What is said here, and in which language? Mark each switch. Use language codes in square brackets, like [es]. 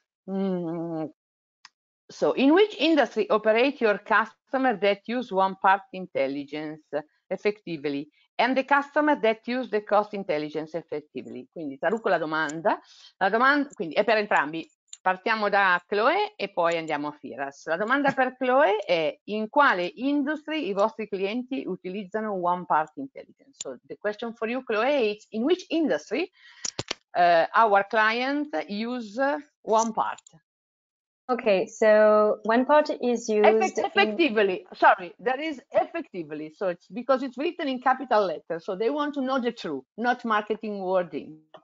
[en] So, in which industry operate your customer that use one part intelligence effectively and the customer that use the cost intelligence effectively? [it] Quindi traduco la domanda. La domanda, quindi, è per entrambi. Partiamo da Chloe e poi andiamo a Firas. La domanda per Chloe è: in quale industry i vostri clienti utilizzano one part intelligence? [en] So the question for you, Chloe, is in which industry our client use one part? Okay, so one part is used effectively. Sorry, that is effectively. So it's because it's written in capital letters. So they want to know the truth, not marketing wording.